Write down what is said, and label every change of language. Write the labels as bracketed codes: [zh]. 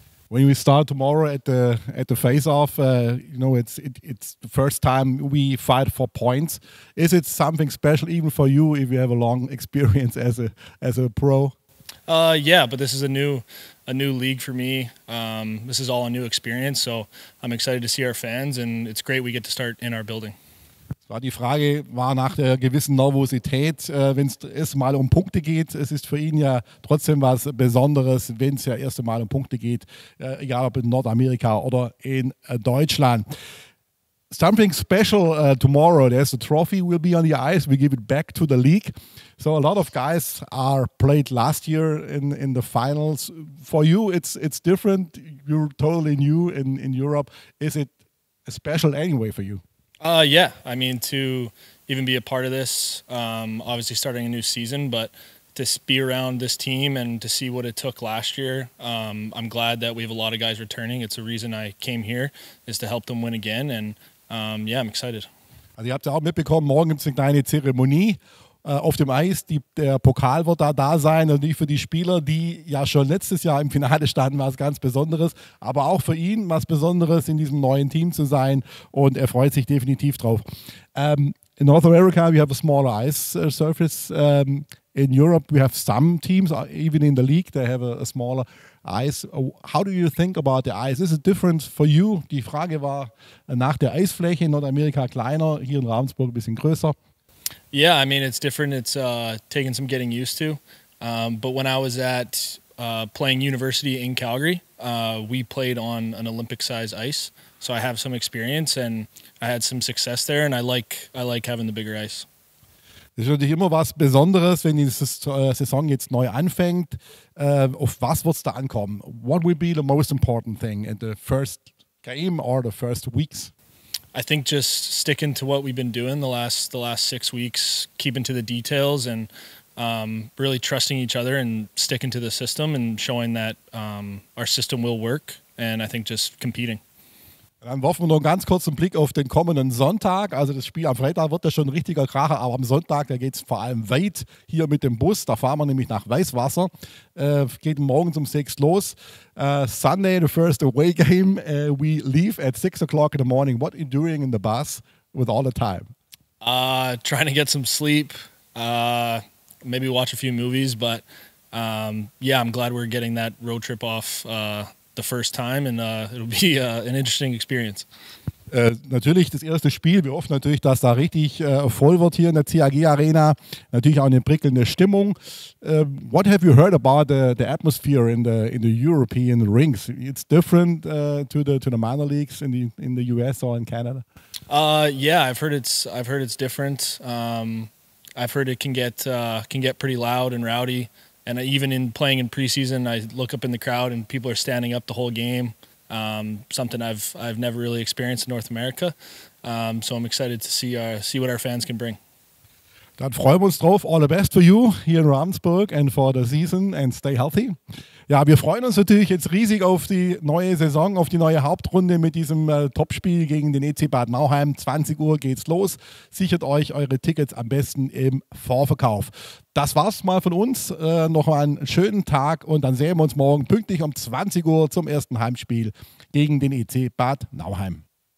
[en] When we start tomorrow at the face-off, you know, it's the first time we fight for points. Is it something special even for you if you have a long experience as a pro? Yeah, but this is a new league for me. This is all a new experience, so I'm excited to see our fans, and it's great we get to start in our building. [de] Das war die Frage, war nach der gewissen Nervosität, wenn es erstmal um Punkte geht. Es ist für ihn ja trotzdem was Besonderes, wenn es ja erstmal um Punkte geht, egal ob in Nordamerika oder in Deutschland. [en] Something special tomorrow, there's a trophy will be on the ice, we give it back to the league. So a lot of guys are played last year in the finals. For you, it's different, you're totally new in Europe. Is it special anyway for you? Yeah, I mean, to even be a part of this, obviously starting a new season, but to be around this team and to see what it took last year, I'm glad that we have a lot of guys returning. It's a reason I came here, is to help them win again, and yeah, I'm excited. [de] Also, ihr habt ja auch mitbekommen, morgen gibt es eine kleine Zeremonie auf dem Eis. Der Pokal wird da sein. Und nicht für die Spieler, die ja schon letztes Jahr im Finale standen, was ganz Besonderes. Aber auch für ihn was Besonderes, in diesem neuen Team zu sein. Und er freut sich definitiv drauf. [en] In North America, we have a smaller ice surface. In Europe, we have some teams, even in the league, they have a smaller ice. How do you think about the ice? Is it different for you? [de] Die Frage war nach der Eisfläche in Nordamerika kleiner, hier in Ravensburg ein bisschen größer. [en] Yeah, I mean, it's different. It's taken some getting used to. But when I was at playing university in Calgary, we played on an Olympic size ice. So I have some experience and I had some success there. And I like having the bigger ice. [de] Das ist natürlich immer was Besonderes, wenn die Saison jetzt neu anfängt. Auf was wird es da ankommen? [en] What would be the most important thing in the first game or the first weeks? I think just sticking to what we've been doing the last 6 weeks, keeping to the details and really trusting each other and sticking to the system and showing that our system will work. And I think just competing. [de] Dann werfen wir noch einen ganz kurzen Blick auf den kommenden Sonntag. Also das Spiel am Freitag wird ja schon ein richtiger Kracher, aber am Sonntag, da geht es vor allem weit hier mit dem Bus. Da fahren wir nämlich nach Weißwasser. Geht morgens um 6 los. [en] Sunday, the first away game. We leave at 6 o'clock in the morning. What are you doing in the bus with all the time? Trying to get some sleep. Maybe watch a few movies. But yeah, I'm glad we're getting that road trip off the first time, and it'll be an interesting experience. [de] Natürlich das erste Spiel. Wir hoffen natürlich, dass da richtig voll wird hier in der CAG Arena. Natürlich auch eine prickelnde Stimmung. [en] What have you heard about the atmosphere in the European rinks? It's different to the minor leagues in the US or in Canada. Yeah, I've heard it's different. I've heard it can get pretty loud and rowdy. And even in playing in preseason, I look up in the crowd and people are standing up the whole game. Something I've never really experienced in North America. So I'm excited to see what our fans can bring. [de] Dann freuen wir uns drauf. [en] All the best for you here in Ravensburg and for the season and stay healthy. [de] Ja, wir freuen uns natürlich jetzt riesig auf die neue Saison, auf die neue Hauptrunde mit diesem Topspiel gegen den EC Bad Nauheim. 20 Uhr geht's los. Sichert euch eure Tickets am besten im Vorverkauf. Das war's mal von uns. Noch mal einen schönen Tag und dann sehen wir uns morgen pünktlich um 20 Uhr zum ersten Heimspiel gegen den EC Bad Nauheim.